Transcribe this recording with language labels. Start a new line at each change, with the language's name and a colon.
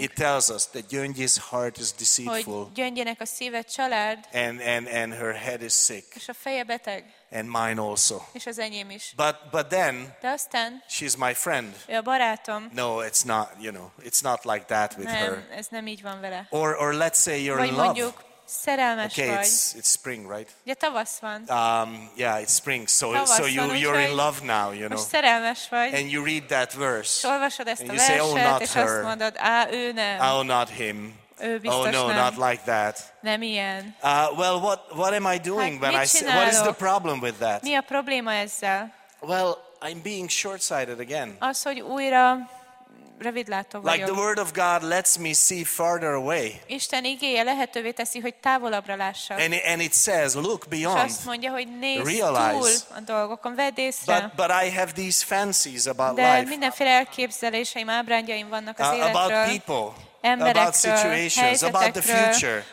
English: It tells us that gyöngy's heart is deceitful.
Hungarian: Hogy gyöngyének a szíve csalárd.
English: And her head is sick.
Hungarian: És a feje beteg.
English: And mine also.
Hungarian: És az enyém is.
English: But then.
Hungarian: De aztán.
English: She's my friend.
Hungarian: Ő a barátom.
English: No, it's not. You know, it's not like that with
Hungarian: nem,
English: her.
Hungarian: Ez nem így van vele.
English: Or let's say you're
Hungarian: vagy
English: in love.
Hungarian: Vagy mondjuk szerelmes
English: okay,
Hungarian: vagy.
English: It's spring, right?
Hungarian: Ja, tavasz van.
English: Yeah, it's spring. So you're in love now, you know.
Hungarian: Most szerelmes vagy.
English: And you read that verse.
Hungarian: És olvasod ezt a verset,
English: say, oh, not
Hungarian: és
English: her.
Hungarian: Azt mondod, ő nem.
English: Oh, not him. Oh no,
Hungarian: nem.
English: Not like that.
Hungarian: Nem ilyen.
English: Well, what am I doing
Hungarian: hát,
English: when I
Hungarian: csinálok?
English: What is the problem with that?
Hungarian: Mi a probléma ezzel?
English: Well, I'm being short-sighted again.
Hungarian: Az, hogy újra rövidlátó vagyok.
English: Like the word of God lets me see farther away.
Hungarian: Isten igéje lehetővé teszi, hogy távolabbra lássak.
English: And it says, look beyond.
Hungarian: És azt mondja, hogy nézz túl a dolgokon, vedd észre.
English: But I have these fancies about
Hungarian: de
English: life.
Hungarian: De mindenféle elképzeléseim, ábrányaim vannak az életről.
English: About people.
Hungarian: Emberekről,
English: about situations, about the future,